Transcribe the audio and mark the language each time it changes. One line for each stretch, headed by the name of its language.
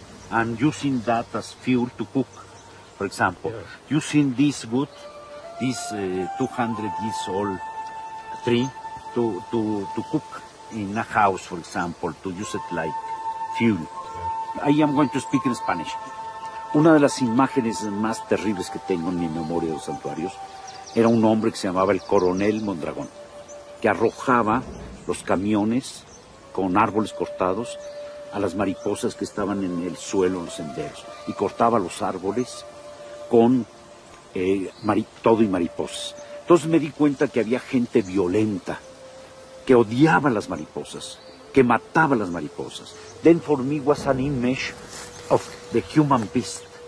English: And using that as fuel to cook, for example. Yeah. Using this wood, this 200 years old tree, to cook in a house, for example, to use it like fuel. Yeah. I am going to speak in Spanish.
Spanish: Una de las imágenes más terribles que tengo en mi memoria de los santuarios era un hombre que se llamaba el coronel Mondragón, que arrojaba los camiones con árboles cortados a las mariposas que estaban en el suelo, en los senderos, y cortaba los árboles con todo y mariposas. Entonces me di cuenta que había gente violenta, que odiaba las mariposas, que mataba las mariposas.
English: Then for me was an image of the human beast.